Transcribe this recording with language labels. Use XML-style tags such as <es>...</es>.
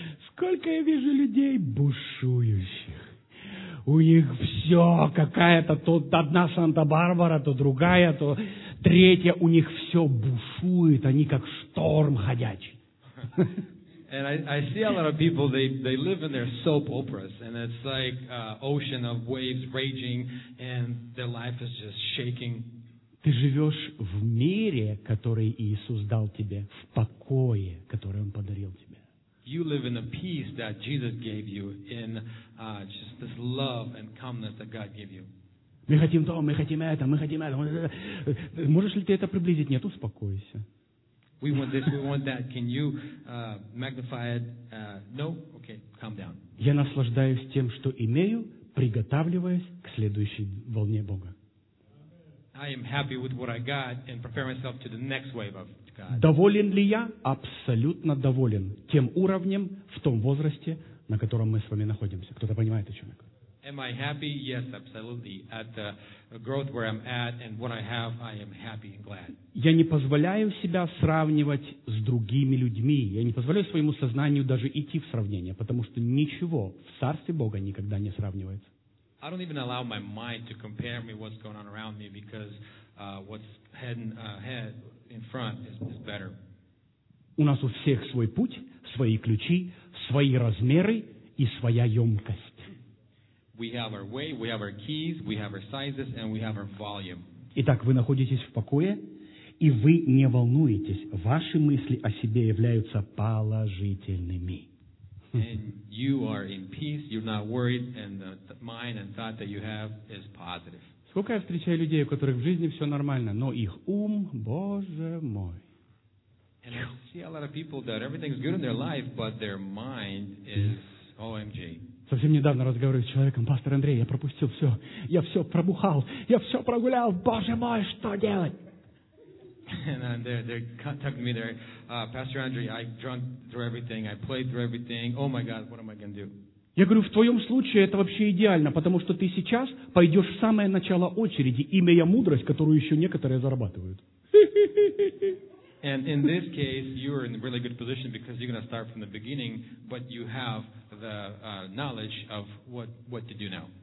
<ru>Сколько я вижу людей бушующих. У них все, какая-то то одна Санта-Барбара, то другая, то третья, у них все бушует, они как шторм ходячий.</ru> <en>And I see a lot of people, they live in their soap operas, and it's like ocean of waves raging, and their life is just shaking.</en> <ru>Ты живешь в мире, который Иисус дал тебе, в покое, который Он подарил тебе.</ru> <en>you live in the peace that Jesus gave you, in just this love and calmness that God gave you.</en> <ru>Мы хотим то, мы хотим это, мы хотим это. Можешь ли ты это приблизить? Нет, успокойся.</ru> <en>We want this, we want that. Can you magnify it? No? Okay, calm down.</en> <ru>Я наслаждаюсь тем, что имею, приготавливаясь к следующей волне Бога.</ru> <en>I am happy with what I got and prepare myself to the next wave of God.</en> <ru>Доволен ли я? Абсолютно доволен тем уровнем, в том возрасте, на котором мы с вами находимся. Кто-то понимает, о чем я говорю?</ru> <en>Am I happy? Yes, absolutely. At the growth where I'm at and what I have, I am happy and glad.</en> <ru>Я не позволяю себя сравнивать с другими людьми. Я не позволяю своему сознанию даже идти в сравнение, потому что ничего в Царстве Бога никогда не сравнивается.</ru> <en>I don't even allow my mind to compare me what's going on around me because what's ahead in front is better.</en> <ru>У нас у всех свой путь, свои ключи, свои размеры и своя ёмкость.</ru> <en>We have our way, we have our keys, we have our sizes and we have our volume.</en> <ru>Итак, вы находитесь в покое, и вы не волнуетесь. Ваши мысли о себе являются положительными.</ru> <en>And you are in peace, you're not worried, and the mind and thought that you have is positive.</en> <ru>Сколько я встречаю людей, у которых в жизни все нормально, но их ум, Боже мой.</ru> <en>And I see a lot of people that everything's good in their life, but their mind is OMG.</en> <ru>Совсем недавно разговаривал с человеком, пастор Андрей, я пропустил все, я все пробухал, я все прогулял, Боже мой, что делать?</ru> <en>And they're talking to me. They're, Pastor Andre, I drunk through everything. I played through everything. Oh my God, what am I gonna do?</en> <ru>Я говорю, в твоем случае это вообще идеально, потому что ты сейчас пойдешь в самое начало очереди, имея мудрость, которую еще некоторые зарабатывают.</ru> <en>And in this case, you're in a really good position because you're gonna start from the beginning, but you have the knowledge of what to do now.</en>